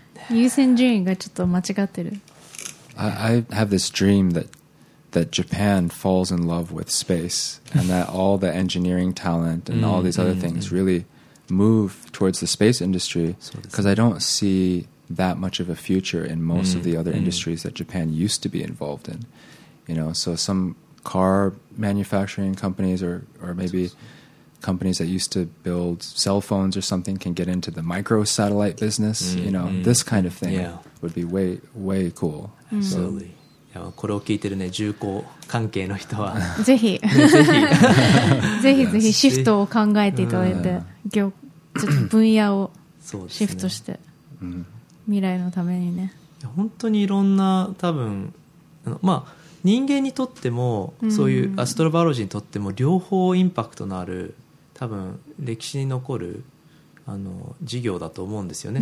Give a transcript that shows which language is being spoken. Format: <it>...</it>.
<ja>優先順位がちょっと間違ってる。</ja> <en>I have this dream that Japan falls in love with space and that all the engineering talent and all these other things really move towards the space industry, because I don't see that much of a future in most of the other industries that Japan used to be involved in. You know, so some car manufacturing companies or maybe companies that used to build cell phones or something can get into the micro satellite business, this kind of thing would be way, way cool. Absolutely.</en> <ja>So, いやこれを聞いてるね重工関係の人はぜひ、ぜひぜひシフトを考えていただいて、ちょっと分野をシフトして、ね、未来のためにね、本当にいろんな多分人間にとっても、そういうアストロバロジーにとっても両方インパクトのある多分歴史に残る事業だと思うんですよね。</ja>